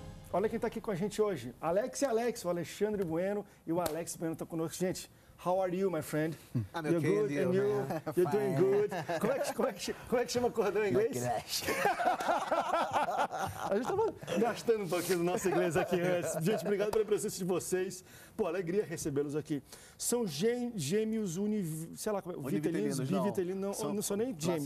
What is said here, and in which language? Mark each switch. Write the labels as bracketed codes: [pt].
[pt] Olha quem está aqui com a gente hoje, Alex e Alex, o Alexandre Bueno e o Alex Bueno estão conosco. Gente, [en] how are you, my friend? I'm okay, you're good, and you? Man. You're doing good. [pt] Como é que chama o cordão em inglês? A gente estava gastando um pouquinho do nosso inglês aqui antes. Gente, obrigado pela presença de vocês. Pô, alegria recebê-los aqui. São gêmeos bivitelinos, não são nem gêmeos.